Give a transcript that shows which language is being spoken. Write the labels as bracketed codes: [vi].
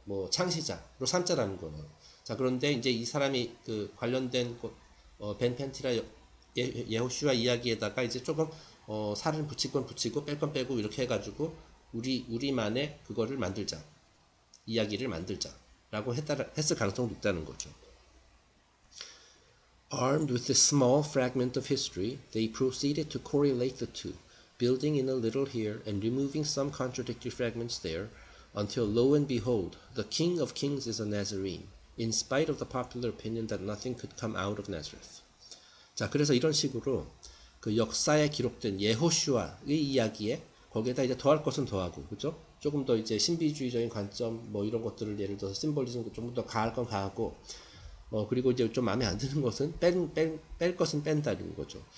[ko] 창시자로 삼자라는 거예요. 자, 그런데 이제 이 사람이 그 관련된 벤 펜티라 예호슈아 이야기에다가 이제 조금 살을 붙이고 뺄건 빼고 이렇게 해가지고 우리만의 그거를 만들자, 이야기를 만들자라고 했을 가능성도 있다는 거죠. [en] Armed with a small fragment of history, they proceeded to correlate the two, building in a little here and removing some contradictory fragments there. Until lo and behold, the King of Kings is a Nazarene, in spite of the popular opinion that nothing could come out of Nazareth. [ko] 자, 그래서 이런 식으로 그 역사에 기록된 예호슈아의 이야기에 거기에다 이제 더할 것은 더하고, 그죠? 조금 더 이제 신비주의적인 관점, 뭐 이런 것들을 예를 들어서 심볼리즘 좀더 가할 건 가하고, 그리고 이제 좀 마음에 안 드는 것은 뺄 것은 뺀다는 거죠.